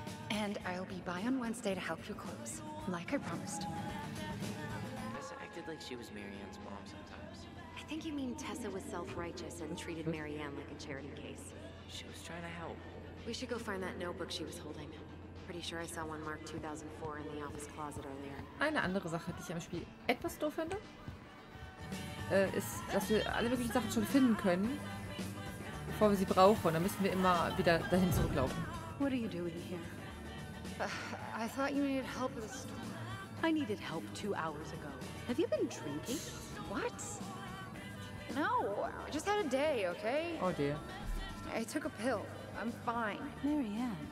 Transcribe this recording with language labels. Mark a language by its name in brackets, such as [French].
[English] And I'll be by on Wednesday to help you close, like I promised. Tessa acted like she was Marianne's mom sometimes. I think you mean Tessa was self-righteous and treated Marianne like a charity case. She was trying to help. We should go find that notebook she was holding. Pretty sure I saw one marked 2004 in the office closet earlier. [German] Eine andere Sache, die ich am Spiel etwas doof finde, ist, dass wir alle möglichen Sachen schon finden können, bevor wir sie brauchen. Dann müssen wir immer wieder dahin zurücklaufen. [English] What are you doing here? I thought you needed help with the store. I needed help 2 hours ago. Have you been drinking? What? No, I just had a day, okay? Oh dear. I took a pill. I'm fine. Marianne,